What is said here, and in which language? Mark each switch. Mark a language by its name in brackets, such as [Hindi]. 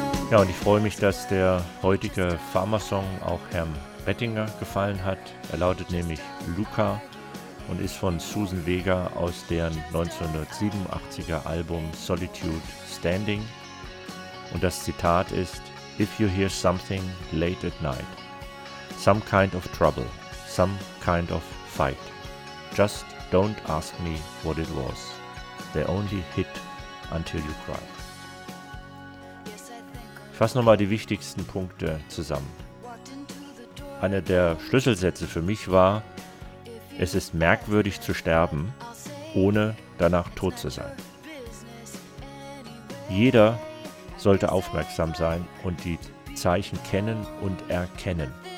[German] Ja, und ich freue mich, dass der heutige Pharma-Song auch Herrn Bettinger gefallen hat. Er lautet nämlich Luca und ist von Susan Vega aus deren 1987er Album Solitude Standing. Und das Zitat ist: [English] If you hear something late at night, some kind of trouble, some kind of fight, just don't ask me what it was. They only hit until you cry. [German] Ich fasse nochmal die wichtigsten Punkte zusammen. Einer der Schlüsselsätze für mich war: Es ist merkwürdig zu sterben, ohne danach tot zu sein. Jeder sollte aufmerksam sein und die Zeichen kennen und erkennen.